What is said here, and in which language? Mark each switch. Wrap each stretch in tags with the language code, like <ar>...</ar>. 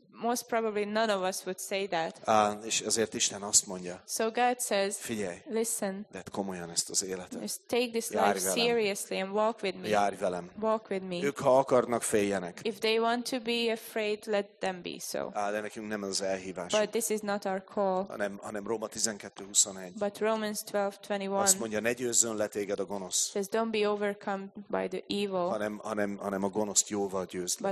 <en>Most probably none of us would say that.</en> <hu>És azért Isten azt mondja.</hu> <en>So God says,</en> <hu>figyelj,</hu> <en>listen.</en> <hu>Vedd komolyan ezt az életet.</hu> <en>Just take this life seriously and walk with me.</en> <hu>Járj velem.</hu> <en>Walk with me.</en> <hu>Ők ha akarnak, féljenek.</hu> <en>If they want to be afraid, let them be so.</en> <hu>De nekünk nem az elhívás.</hu> <en>But this is not our call.</en> <hu>Hanem Róma 12:21.</hu> <en>But Romans 12:21.</en> <hu>Azt mondja, ne győzzön le téged a gonosz.</hu> <en>Says, don't be overcome by the evil.</en> <hu>Hanem a gonoszt jóval győzd le.</hu>